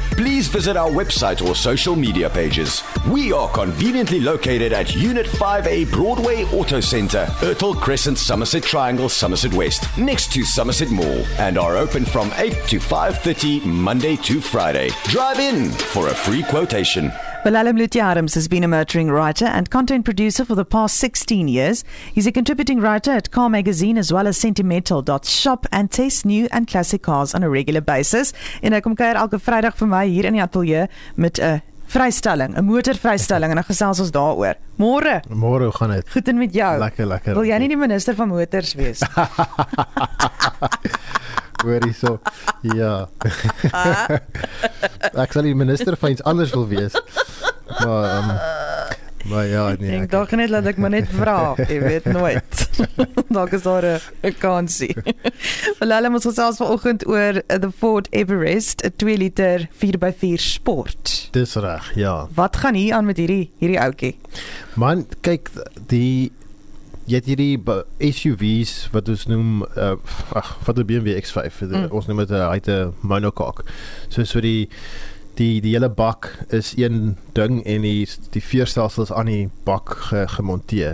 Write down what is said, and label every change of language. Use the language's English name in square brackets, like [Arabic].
[English] Please visit our website or social media pages. We are conveniently located at Unit 5A Broadway Auto Center, Ertel Crescent, Somerset Triangle, Somerset West, next to Somerset Mall, and are open from 8 to 5:30 Monday to Friday. Drive in for a free quotation. Bilal Mluti Adams has been a motoring writer and content producer for the past 16 years. He's a contributing writer at Car Magazine as well as Sentimental.shop and tests new and classic cars on a regular basis. [Afrikaans] En hy kom kuier elke Vrydag vir my hier in die ateljee met 'n vrystelling, 'n motorvrystelling en dan gesels ons daaroor. Môre. Môre, hoe gaan dit? Goed en met jou? Lekker, lekker. Wil jy nie die minister van motors wees? Hoor hierso. Ja. Ek sal die minister van iets anders wil wees. Maar ja, nee. Ek dink net dat ek maar net vra, jy weet nooit. Dalk is daar 'n kansie. Hulle moet gesels vanoggend oor the Ford Everest, 'n 2 liter 4x4 sport. Dis reg, ja. Wat gaan hier aan met hierdie ouetjie? Man, kyk, die jy het hierdie SUV's wat ons noem wat die BMW X5 ons noem het uite monocoque. So so die hele bak is een ding en die veerstelsels aan die bak gemonteer.